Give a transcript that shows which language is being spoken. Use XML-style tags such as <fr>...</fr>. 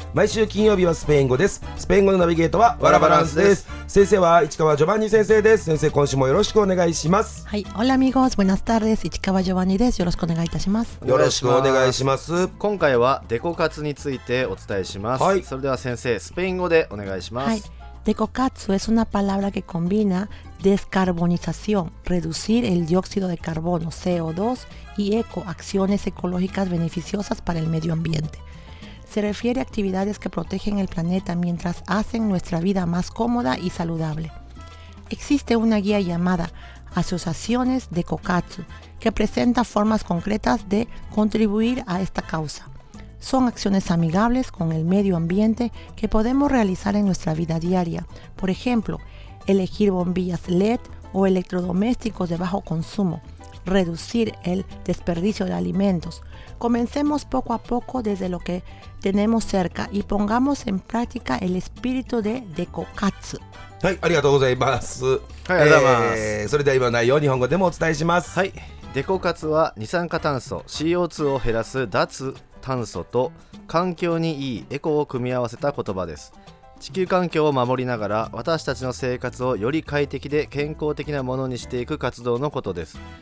<ja>毎週金曜日はスペイン語です。スペイン語のナビゲートはワラバランスです。先生は市川ジョバンニ先生です。先生、今週もよろしくお願いします。はい、</ja> <es>オラミゴーズ、ブナスタール</es> <ja>です。市川ジョバンニです。よろしくお願いいたします。よろしくお願いします。今回はデコカツについてお伝えします。はい、それでは先生、スペイン語でお願いします。はい、</ja> <es>デコカツ es una palabra que combina descarbonización, reducir el dióxido de carbono, CO2 y ecoacciones ecológicas beneficiosas para el medio ambiente. Se refiere a actividades que protegen el planeta mientras hacen nuestra vida más cómoda y saludable. Existe una guía llamada Asociaciones de Cocatsu que presenta formas concretas de contribuir a esta causa. Son acciones amigables con el medio ambiente que podemos realizar en nuestra vida diaria. Por ejemplo, elegir bombillas LED o electrodomésticos de bajo consumo. Reducir el desperdicio de alimentos. Comencemos poco a poco desde lo que tenemos cerca y pongamos en práctica el espíritu de DecoCatsu.</es> <ja>はい、ありがとうございます。はい、ありがとうございます。それでは今の内容を日本語でもお伝えします。はい、デコカツは二酸化炭素 CO2 を減らす脱炭素と環境にいいエコを組み合わせた言葉です。地球環境を守りながら私たちの生活をより快適で健康的なものにしていく活動のことです。</ja>